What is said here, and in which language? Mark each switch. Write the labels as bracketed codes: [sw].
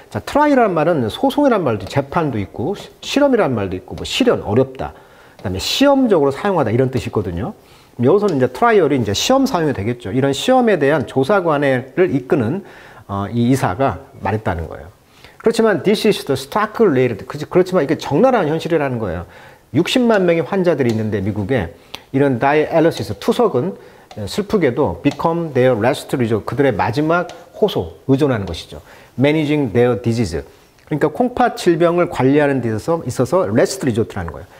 [ko] 자, trial이란 말은 소송이란 말도 재판도 있고 실험이란 말도 있고 뭐 실현 어렵다. 그다음에 시험적으로 사용하다 이런 뜻이 있거든요. 여기서는 이제 트라이얼이 이제 시험 사용이 되겠죠. 이런 시험에 대한 조사관을 이끄는 이 이사가 말했다는 거예요. [en] 그렇지만 this is the stark reality. [ko] 그렇지만 이게 적나라한 현실이라는 거예요. 60만 명의 환자들이 있는데 미국에 이런 dialysis 투석은 슬프게도 [en] become their last resort [ko] 그들의 마지막 호소 의존하는 것이죠. [en] managing their disease [ko] 그러니까 콩팥 질병을 관리하는 데 있어서 last resort라는 거예요.